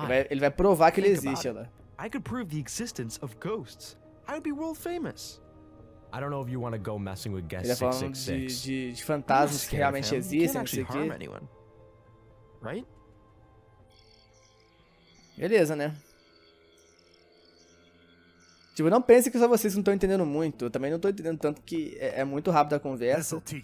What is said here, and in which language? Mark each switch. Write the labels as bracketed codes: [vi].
[pt] Ele vai provar que ele existe, olha lá. Eu poderia provar a existência de ghosts. Eu seria famoso mundial. [en] I don't know if you want to go messing with guest 666. [pt] De fantasmas que realmente existem, não sei o quê. [en] Right? [pt] Beleza, né? Tipo, não pense que só vocês não estão entendendo muito. Eu também não estou entendendo tanto, que é muito rápido a conversa.